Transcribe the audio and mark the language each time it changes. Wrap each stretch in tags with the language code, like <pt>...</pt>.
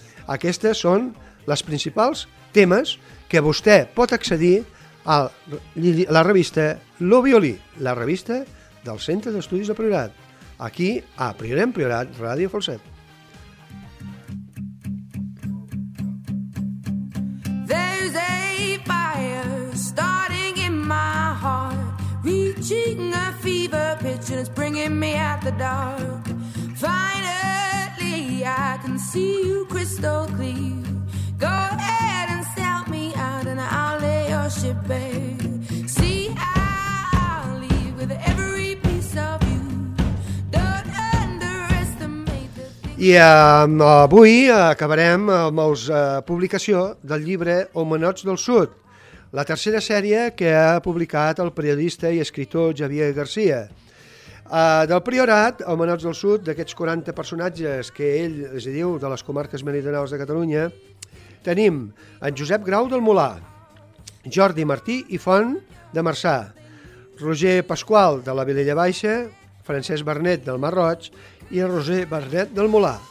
<ca>Aquestes són les principals temes que vostè pot accedir a la revista Lo Violí, la revista del Centre d'Estudis de Priorat, aquí a Priorem Priorat, Ràdio Falset.</ca> <en>There's a fire starting in my heart, reaching a fever pitch and it's bringing me out the dark. Finally I can see you crystal clear. Go ahead and sell me out and I'll lay your ship bare. See, I'll leave with every piece of you. Don't underestimate the thing.</en> <ca>I avui acabarem amb els publicació del llibre Homenots del Sud, la tercera sèrie que ha publicat el periodista i escriptor Xavier García. Del Priorat, Homenots del Sud, d'aquests 40 personatges que ell es diu de les comarques meridionals de Catalunya, tenim en Josep Grau del Molar, Jordi Martí i Font de Marçà, Roger Pasqual de la Vilella Baixa, Francesc Bernet del Marroig i Roser Bernet del Molar.</ca>